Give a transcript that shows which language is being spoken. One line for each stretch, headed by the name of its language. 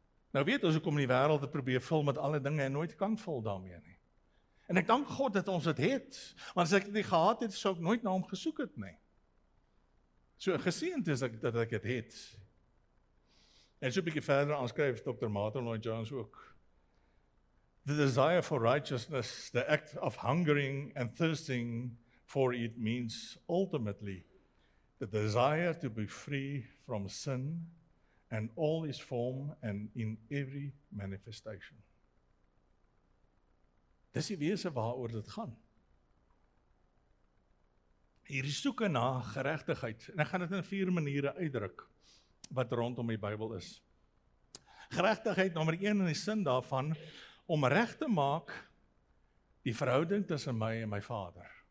Afrikaans: Nou weet ons hoekom die wêreld het probeer vul met alle dinge en nooit kan vul daarmee nie. En ek dank God dat ons dit het, want as ek dit nie gehad het, sou ek nooit na hom gesoek het nie. So geseend is ek dat ek dit het. En so 'n bietjie verder aanskryf Dr.
English: Martin Lloyd-Jones ook, the desire for righteousness, the act of hungering and thirsting for it means ultimately the desire to be free from sin and all its form and in every manifestation.
Afrikaans: Dis die wese waaroor dit gaan. Hierdie soeke na geregtigheid, en ek gaan dit in 4 maniere uitdruk wat rondom die Bybel is. Geregtigheid nommer 1 in die sin daarvan, om reg te maak die verhouding tussen my en my Vader.